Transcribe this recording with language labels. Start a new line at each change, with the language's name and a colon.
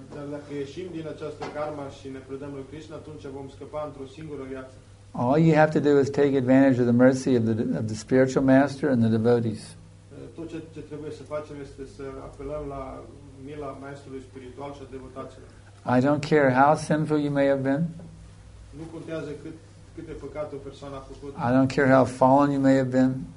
Romanian: Dacă ieșim din această karma și ne predăm lui Krishna, atunci vom scăpa într-o singură viață.
English: All you have to do is take advantage of the mercy of the spiritual master and the devotees.
Romanian: Tot ce trebuie să facem este să apelăm la mila maestrului spiritual și a devotaților.
English: I don't care how sinful you may have been.
Romanian: Nu contează câte păcate o persoană a făcut.
English: I don't care how fallen you may have been.